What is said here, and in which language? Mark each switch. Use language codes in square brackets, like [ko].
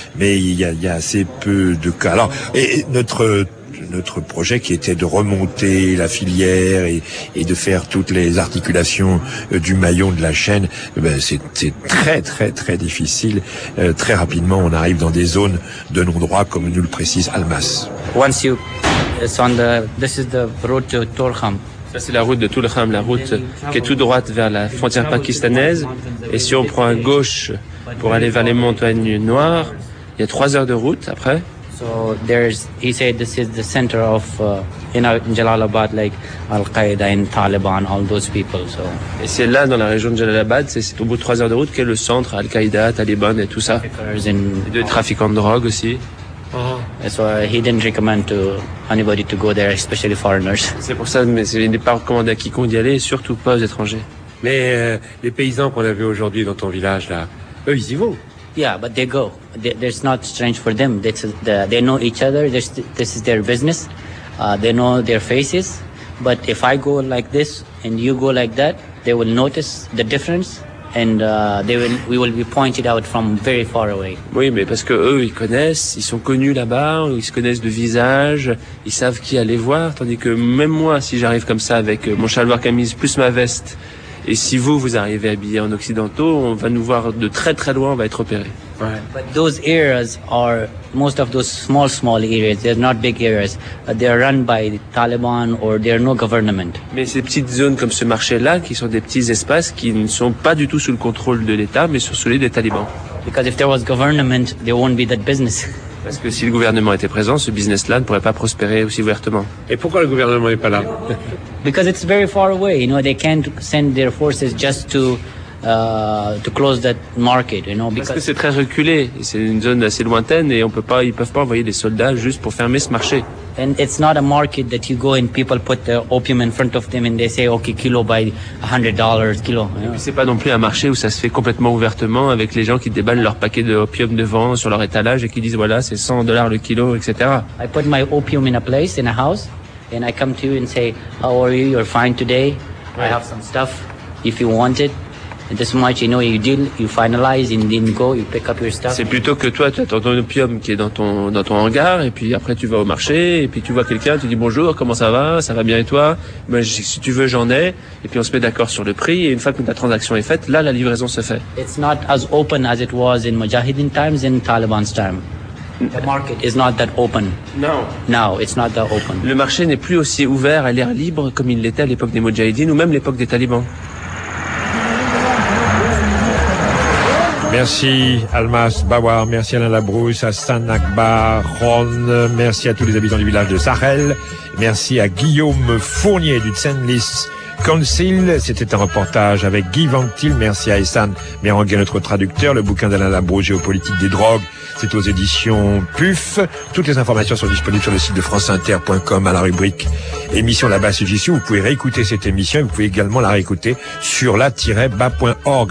[fr] Mais il y a assez peu de cas. Alors, et notre projet qui était de remonter la filière et de faire toutes les articulations du maillon de la chaîne, ben c'est très très très difficile. Très rapidement, on arrive dans des zones de non-droit, comme nous le précise Almas. [en] Once you, it's on the, this is the road to Tolkham. [fr] Ça, c'est la route de Tolkham, la route qui est tout droite vers la frontière pakistanaise. Et si on prend à gauche pour aller vers les montagnes noires, il y a 3 heures de route après. [en] So there's, he said, this is the center of, you know, in Jalalabad, like Al Qaeda and Taliban, all those people. So. [fr] Et c'est là, dans la région de Jalalabad, c'est au bout de 3 heures de route qu'est le centre Al Qaeda, Taliban et tout ça. [en] And [fr] de trafiquants de drogue aussi. [en] So he didn't recommend to anybody to go there, especially foreigners. [fr] C'est pour ça, mais il n'est pas recommandé à quiconque d'y aller, surtout pas aux étrangers. Mais les paysans qu'on a vus aujourd'hui dans ton village là, eux, ils y vont. [en] Yeah, but they go. There's not strange for them. They know each other. This is their business. They know their faces. But if I go like this and you go like that, they will notice the difference, and we will be pointed out from very far away. [fr] Oui, mais parce que eux, ils connaissent, ils sont connus là-bas, ils se connaissent de visage, ils savent qui aller voir. Tandis que même moi, si j'arrive comme ça avec mon chaloir camise plus ma veste. Et si vous arrivez habillé en occidentaux, on va nous voir de très très loin, on va être opéré. [en] But those areas are most of those small areas. They're not big areas. They're run by the Taliban or there are no government. [fr] Mais ces petites zones comme ce marché-là, qui sont des petits espaces qui ne sont pas du tout sous le contrôle de l'État, mais sous celui des Talibans. [en] Because if there was government, there won't be that business. [fr] Parce que si le gouvernement était présent, ce business-là ne pourrait pas prospérer aussi ouvertement. Et pourquoi le gouvernement n'est pas là? [en] Because it's very far away, you know, they can't send their forces just to close that market, you know. [fr] Parce que c'est très reculé, c'est une zone assez lointaine et ils peuvent pas envoyer des soldats juste pour fermer ce marché. [en] And it's not a market that you go and people put the opium in front of them and they say, okay, kilo by $100, kilo. [fr] Et puis c'est pas non plus un marché où ça se fait complètement ouvertement avec les gens qui déballent leur paquet d'opium devant sur leur étalage et qui disent, voilà, c'est $100 le kilo, etc. [en] I put my opium in a place, in a house, and I come to you and say, how are you? You're fine today. Right. I have some stuff if you want it. This much, you know, you deal, you finalize, and then go, you pick up your stuff. [fr] C'est plutôt que toi, tu attends ton opium qui est dans ton hangar, et puis après tu vas au marché, et puis tu vois quelqu'un, tu dis bonjour, comment ça va? Ça va bien et toi? Mais si tu veux, j'en ai. Et puis on se met d'accord sur le prix, et une fois que la transaction est faite, là, la livraison se fait. [en] It's not as open as it was in Mujahideen times and Taliban's time. The market is not that open. No. No, it's not that open. [fr] Le marché n'est plus aussi ouvert à l'air libre comme il l'était à l'époque des Mujahideen ou même l'époque des Talibans. Merci Almas Bawar, merci Alain Labrousse, Hassan Akbar, Ron, merci à tous les habitants du village de Sahel, merci à Guillaume Fournier du Tsenlis Council, c'était un reportage avec Guy Vantil, merci à Hassan Meranguet, notre traducteur, le bouquin d'Alain Labrousse, Géopolitique des drogues, c'est aux éditions PUF, toutes les informations sont disponibles sur le site de franceinter.com à la rubrique émission là-bas, c'est ici où vous pouvez réécouter cette émission et vous pouvez également la réécouter sur la-bas.org.